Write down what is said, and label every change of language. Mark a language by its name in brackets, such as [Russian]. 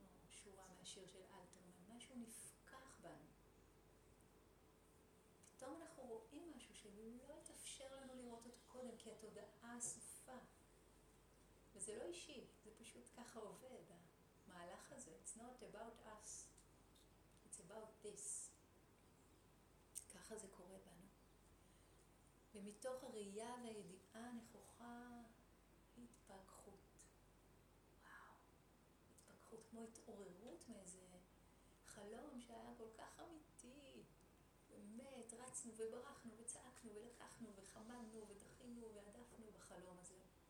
[Hebrew] שורה מהשיר של אלתרמן, משהו נפקח בנו. פתאום אנחנו רואים משהו שלא התאפשר לנו לראות אותו קודם, כי התודעה אסופה. וזה לא אישי, זה פשוט ככה עובד, המהלך הזה. [English] It's not about us, it's about this. [Hebrew] ככה זה קורה בנו. ומתוך הראייה והידיעה הנכוחה, התפקחות. וואו, התפקחות כמו התעוררות מאיזה חלום שהיה כל כך אמיתי. באמת, רצנו וברחנו וצעקנו ולקחנו וחמדנו ודחינו ועדפנו בחלום הזה.